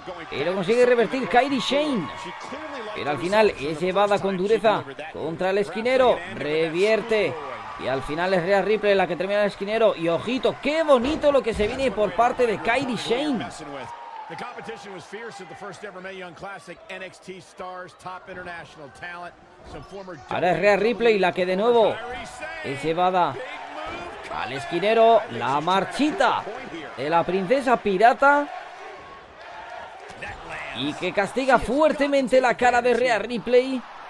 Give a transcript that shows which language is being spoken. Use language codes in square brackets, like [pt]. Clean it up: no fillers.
[es] Pero consigue revertir Kairi Sane. Pero al final es llevada con dureza contra el esquinero. Revierte. Y al final es Rhea Ripley la que termina el esquinero. Y ojito, qué bonito lo que se viene por parte de Kairi Sane. [en] The competition was fierce at the first ever Mae Young Classic. NXT stars, top international talent, some former. [es] Ahora es Rhea Ripley la que de nuevo es llevada al esquinero. La marchita de la princesa pirata. Y que castiga fuertemente la cara de Rhea Ripley.